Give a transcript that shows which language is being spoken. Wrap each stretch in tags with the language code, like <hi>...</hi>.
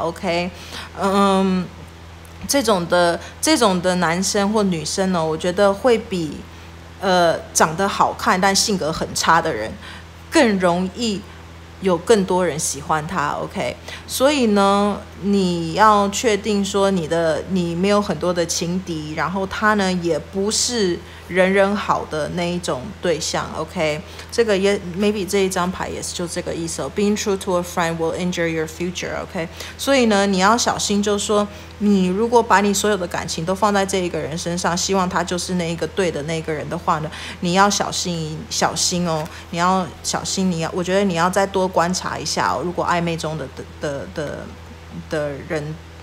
<zh>OK， 这种的男生或女生呢，我觉得会比长得好看但性格很差的人更容易有更多人喜欢他。 OK， 所以呢你要确定说你没有很多的情敌，然后他呢也不是人人好的那一种对象。 OK， 这个也 maybe 这一张牌也是就这个意思、</zh> <en>being true to a friend will injure your future。</en> <zh>OK， 所以呢你要小心，就是说你如果把你所有的感情都放在这一个人身上，希望他就是那一个对的那个人的话呢，你要小心小心哦，你要小心，你要我觉得你要再多观察一下、如果暧昧中的人</zh>